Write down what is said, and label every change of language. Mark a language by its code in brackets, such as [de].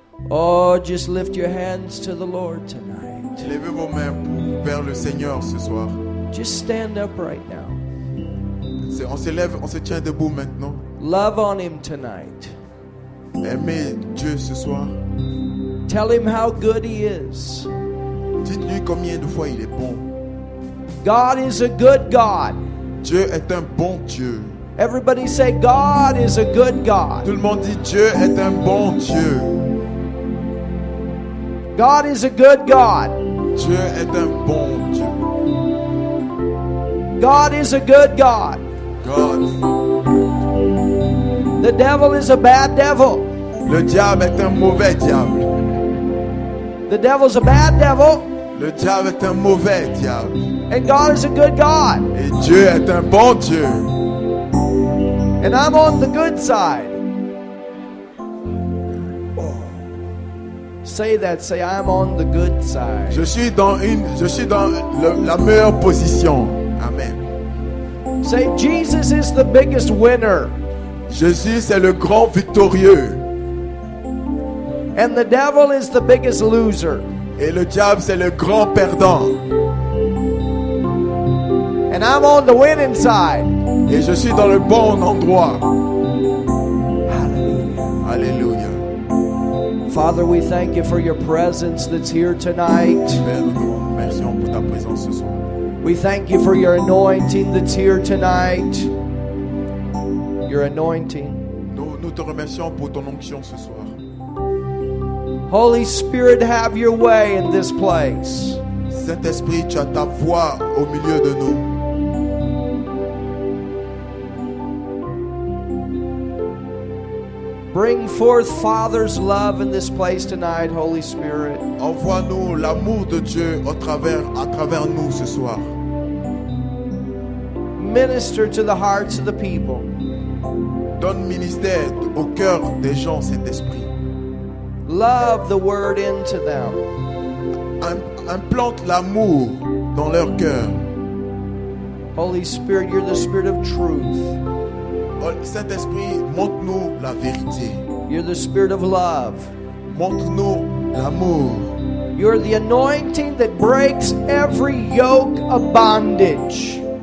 [en] Oh, just lift your hands to the Lord tonight. [fr] Levez vos mains vers le Seigneur ce soir. [en] Just stand up right now. [fr] On se tient debout maintenant. [en] Love on him tonight. [fr] Aimez Dieu ce soir. [en] Tell him how good he is. [fr] Dites-lui combien de fois il est bon. [en] God is a good God. [fr] Dieu est un bon Dieu. [en] Everybody say God is a good God. [fr] Tout le monde dit Dieu est un bon Dieu. [en] God is a good God. [fr] Dieu est un bon Dieu. [en] God is a good God. God. The devil is a bad devil. [fr] Le diable est un mauvais diable. [en] The The devil's a bad devil. [fr] Le diable est un mauvais diable. [en] And God is a good God. [fr] Et Dieu est un bon Dieu. [en] And I'm on the good side. Say that. Say I'm on the good side. [fr] Je suis dans la meilleure position. [en] Amen. Say Jesus is the biggest winner. [fr] Jésus c'est le grand victorieux. [en] And the devil is the biggest loser. [fr] Et le diable c'est le grand perdant. [en] And I'm on the winning side. [fr] Et je suis dans le bon endroit. [en] Hallelujah. [fr] Alléluia. [en] Father, we thank you for your presence that's here tonight. [fr] Merci pour ta présence ce soir. [en] We thank you for your anointing that's here tonight. Your anointing. [fr] Nous te remercions pour ton onction ce soir. [en] Holy Spirit, have your way in this place. [fr] Saint-Esprit, tu as ta voix au milieu de nous. [en] Bring forth Father's love in this place tonight, Holy Spirit. [fr] Envoie-nous l'amour de Dieu à travers nous ce soir. [en] Minister to the hearts of the people. [fr] Donne ministère au cœur des gens cet esprit. [en] Love the word into them. [fr] Implante l'amour dans leur cœur. [en] Holy Spirit, you're the Spirit of truth. [fr] Saint-Esprit, montre-nous la vérité. [en] You're the Spirit of love. [fr] Montre-nous l'amour. [en] You're the anointing that breaks every yoke of bondage.